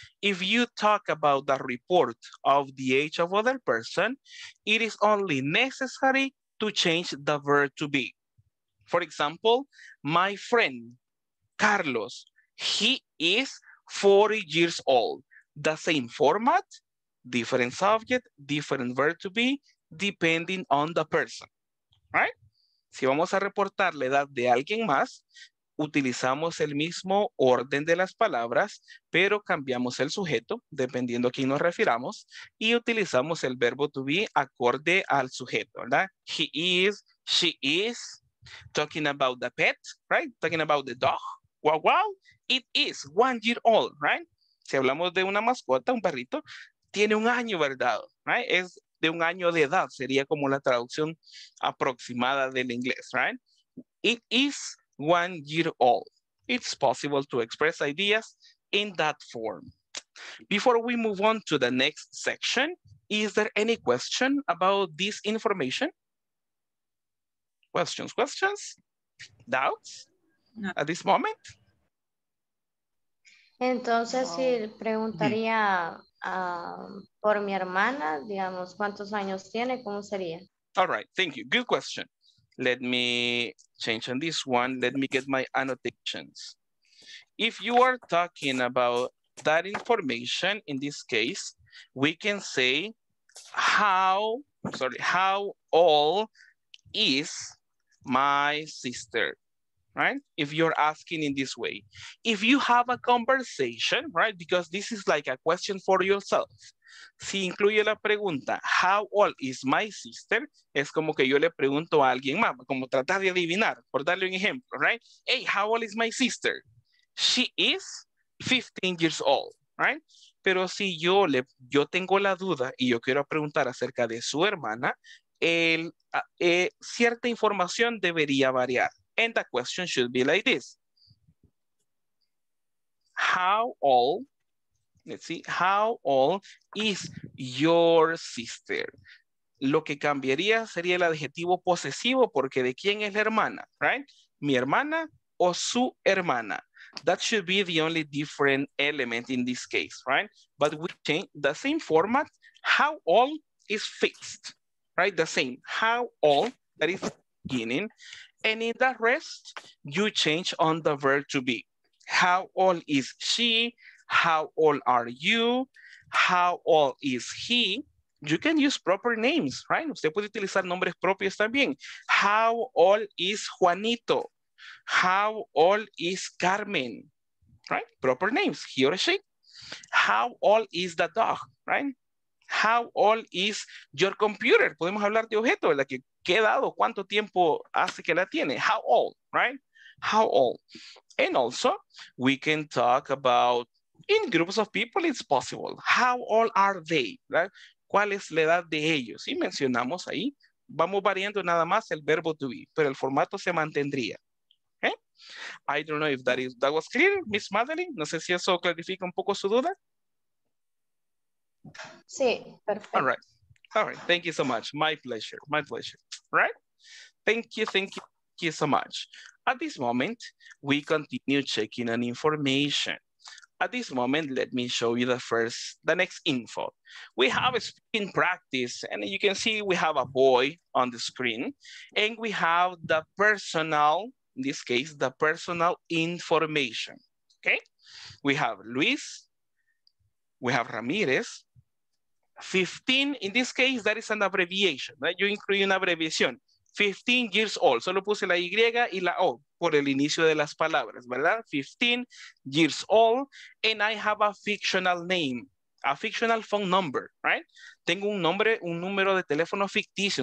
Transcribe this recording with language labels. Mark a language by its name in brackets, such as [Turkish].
[English] If you talk about the report of the age of other person, it is only necessary to change the verb to be. For example, my friend, Carlos, he is 40 years old. The same format, different subject, different verb to be, depending on the person, right? [Spanish] Si vamos a reportar la edad de alguien más, utilizamos el mismo orden de las palabras, pero cambiamos el sujeto, dependiendo a quién nos refiramos, y utilizamos el verbo to be acorde al sujeto, ¿verdad? [English] He is, she is, talking about the pet, right? Talking about the dog, wow, wow. It is 1 year old, right? [Spanish] Si hablamos de una mascota, un perrito, tiene un año, ¿verdad? Right? Es de un año de edad, sería como la traducción aproximada del inglés, right? [English] It is 1 year old. It's possible to express ideas in that form. Before we move on to the next section, is there any question about this information? Questions, questions? Doubts? No. At this moment? [Spanish] Entonces, si preguntaría por mi hermana, digamos, ¿cuántos años tiene? ¿Cómo sería? [English] All right, thank you. Good question. Let me change on this one. Let me get my annotations. If you are talking about that information, in this case, we can say how old is my sister? Right? If you're asking in this way. If you have a conversation, right? Because this is like a question for yourself. [Spanish] Si incluye la pregunta, [English] how old is my sister? [Spanish] Es como que yo le pregunto a alguien más, como tratar de adivinar, por darle un ejemplo, right? [English] Hey, how old is my sister? She is 15 years old, right? [Spanish] Pero si yo tengo la duda y yo quiero preguntar acerca de su hermana, cierta información debería variar. [English] And the question should be like this. How old is your sister? [Spanish] Lo que cambiaría sería el adjetivo posesivo porque de quién es la hermana, right? Mi hermana o su hermana. [English] That should be the only different element in this case, right? But we change the same format. How old is fixed, right? The same. How old, that is beginning. And in the rest, you change on the verb to be. How old is she? How old are you? How old is he? You can use proper names, right? [Spanish] Usted puede utilizar nombres propios también. [English] How old is Juanito? How old is Carmen? Right? Proper names, he or she. How old is the dog? Right? How old is your computer? [Spanish] Podemos hablar de objeto, ¿verdad? Que ¿qué dado? ¿Cuánto tiempo hace que la tiene? [English] How old, right? How old? And also, we can talk about, in groups of people, it's possible. How old are they? Right? [Spanish] ¿Cuál es la edad de ellos? Y mencionamos ahí, vamos variando nada más el verbo to be, pero el formato se mantendría. Okay? [English] I don't know if that is that was clear, Miss Madeline. [Spanish] No sé si eso clarifica un poco su duda. Sí, perfecto. [English] All right. All right. Thank you so much. My pleasure. My pleasure. Right? Thank you. Thank you. Thank you so much. At this moment, we continue checking on information. At this moment, let me show you the next info. We have a speaking practice, and you can see we have a boy on the screen, and we have the personal, in this case, the personal information, okay? We have Luis, we have Ramirez, 15, in this case, that is an abbreviation, right? You include an abbreviation, 15 years old. [Spanish] Solo puse la Y y la O por el inicio de las palabras, ¿verdad? [English] 15 years old, and I have a fictional name, a fictional phone number, right? [Spanish] Tengo un nombre, un número de teléfono ficticio.